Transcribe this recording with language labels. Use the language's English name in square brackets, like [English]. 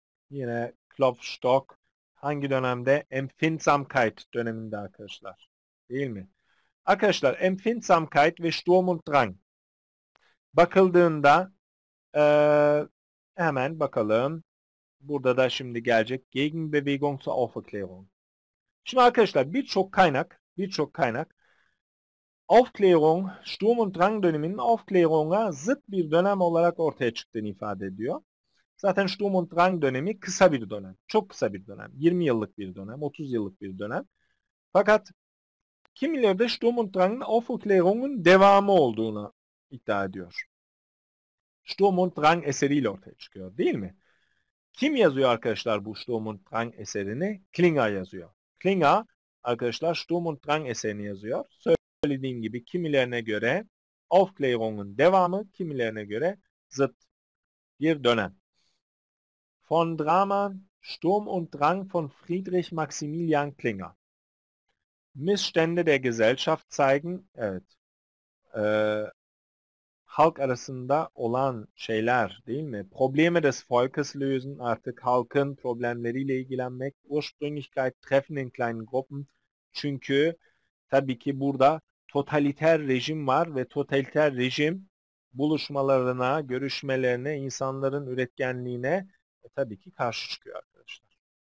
[Turkish] Yine Klopstock hangi dönemde? Empfindsamkeit döneminde arkadaşlar. Değil mi? Arkadaşlar, Empfindsamkeit ve Sturm und Drang. Bakıldığında hemen bakalım. Burada da şimdi gelecek. [German] Gegenbewegung zur Aufklärung. [Turkish] Şimdi arkadaşlar, birçok kaynak Aufklärung, Sturm und Drang döneminin Aufklärung'a zıt bir dönem olarak ortaya çıktığını ifade ediyor. Zaten Sturm und Drang dönemi kısa bir dönem. Çok kısa bir dönem. 20 yıllık bir dönem, 30 yıllık bir dönem. Fakat kimileri de Sturm und Drang'ın Aufklärung'un devamı olduğunu iddia ediyor. Sturm und Drang eseriyle ortaya çıkıyor, değil mi? Kim yazıyor arkadaşlar bu Sturm und Drang eserini? Klinger yazıyor. Klinger arkadaşlar Sturm und Drang eserini yazıyor. Söylediğim gibi kimilerine göre Aufklärung'un devamı, kimilerine göre zıt bir dönem. [German] Von Drama, Sturm und Drang von Friedrich Maximilian Klinger. Missstände der Gesellschaft zeigen, [Turkish] evet, halk arasında olan şeyler, değil mi? [German] Probleme des Volkes lösen, [Turkish] artık halkın problemleriyle ilgilenmek, [German] Ursprünglichkeit treffen in kleinen Gruppen. [Turkish] Çünkü tabii ki burada totaliter rejim var ve totaliter rejim buluşmalarına, görüşmelerine, insanların üretkenliğine tabii ki karşı çıkıyor arkadaşlar.